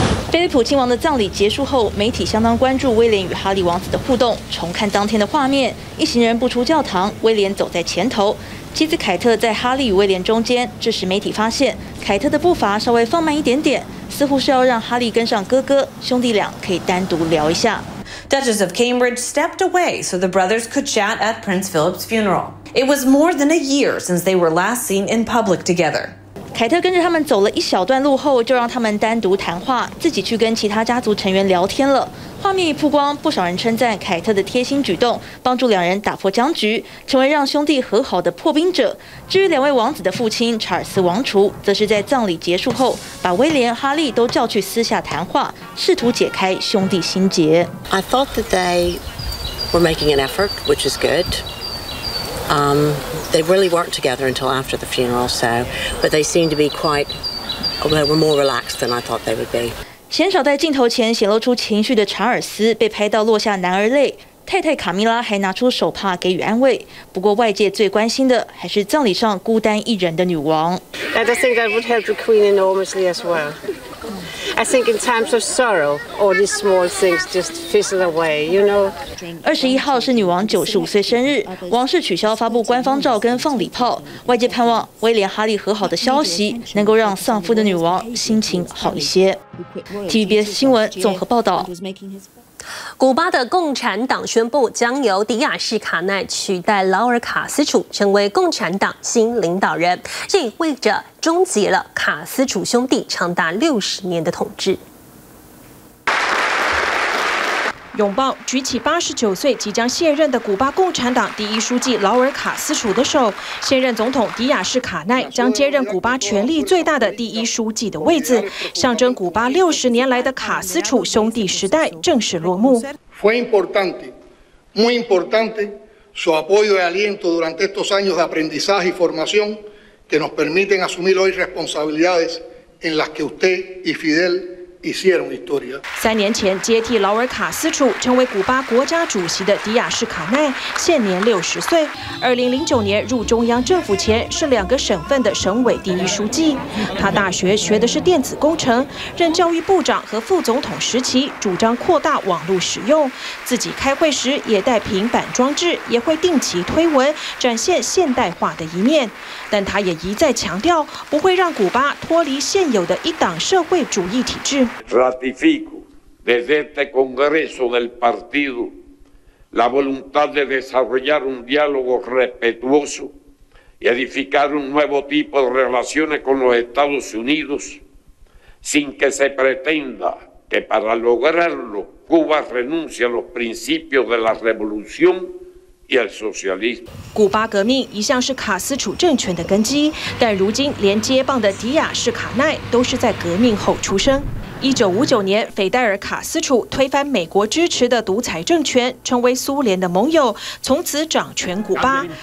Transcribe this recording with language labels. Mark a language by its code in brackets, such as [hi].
[zh] 菲利普亲王的葬礼结束后，媒体相当关注威廉与哈利王子的互动。重看当天的画面，一行人步出教堂，威廉走在前头，妻子凯特在哈利与威廉中间。这时媒体发现凯特的步伐稍微放慢一点点，似乎是要让哈利跟上哥哥，兄弟俩可以单独聊一下。 [en] Duchess of Cambridge stepped away so the brothers could chat at Prince Philip's funeral. It was more than a year since they were last seen in public together. [zh] 凯特跟着他们走了一小段路后，就让他们单独谈话，自己去跟其他家族成员聊天了。画面一曝光，不少人称赞凯特的贴心举动，帮助两人打破僵局，成为让兄弟和好的破冰者。至于两位王子的父亲查尔斯王储，则是在葬礼结束后，把威廉、哈利都叫去私下谈话，试图解开兄弟心结。 [en] I thought that they were making an effort, which is good. They really weren't together until after the funeral, so, but they seemed to be quite, they were more relaxed than I thought they would be. [zh] 鲜少在镜头前显露出情绪的查尔斯被拍到落下男儿泪，太太卡米拉还拿出手帕给予安慰。不过外界最关心的还是葬礼上孤单一人的女王。 [en] I think that would help the Queen enormously as well. I think in times of sorrow, all these small things just fizzle away, you know. [zh] 21号是女王95岁生日，王室取消发布官方照跟放礼炮，外界盼望威廉哈利和好的消息能够让丧父的女王心情好一些。 TVBS 新闻综合报道。古巴的共产党宣布将由迪亚士卡奈取代劳尔卡斯楚成为共产党新领导人，这意味着终结了卡斯楚兄弟长达60年的统治。拥抱举起89岁即将卸任的古巴共产党第一书记劳尔卡斯楚的手，现任总统迪亚士卡奈将接任古巴权力最大的第一书记的位子，象征古巴60年来的卡斯楚兄弟时代正式落幕。 [es] Fue importante, muy importante, su apoyo y aliento durante estos años de aprendizaje y formación que nos permiten asumir hoy responsabilidades en las que usted y Fidel. [zh] 3年前接替劳尔卡斯楚成为古巴国家主席的迪亚士卡奈现年60岁，2009年入中央政府前是两个省份的省委第一书记。他大学学的是电子工程，任教育部长和副总统时期主张扩大网络使用，自己开会时也带平板装置，也会定期推文展现现代化的一面。但他也一再强调不会让古巴脱离现有的一党社会主义体制。 [es] Ratifico desde este Congreso del Partido la voluntad de desarrollar un diálogo respetuoso y edificar un nuevo tipo de relaciones con los Estados Unidos sin que se pretenda que para lograrlo Cuba renuncie a los principios de la revolución. [zh] 古巴革命一向是卡斯楚政权的根基，但如今连接棒的迪亚士卡奈都是在革命后出生。 1959年，斐戴尔·卡斯楚推翻美国支持的独裁政权，成为苏联的盟友，从此掌权古巴。